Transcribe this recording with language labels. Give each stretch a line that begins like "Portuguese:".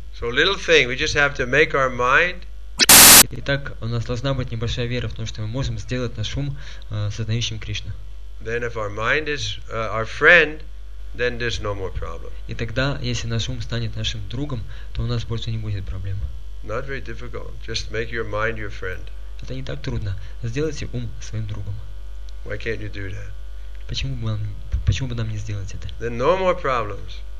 English: So little thing, we just have to make our mind.
Russian: Итак, у нас должна быть небольшая вера в том, что мы можем сделать наш ум сознающим Кришну.
English: Then if our mind is our friend, then there's no more problem.
Russian: И тогда, если наш ум станет нашим другом, то у нас больше не будет проблем.
English: Not very difficult. Just make your mind your friend.
Russian: Это не так трудно. Сделайте ум своим другом.
English: Why can't you do that?
Russian: Почему бы нам не сделать это?
English: Then no more problems.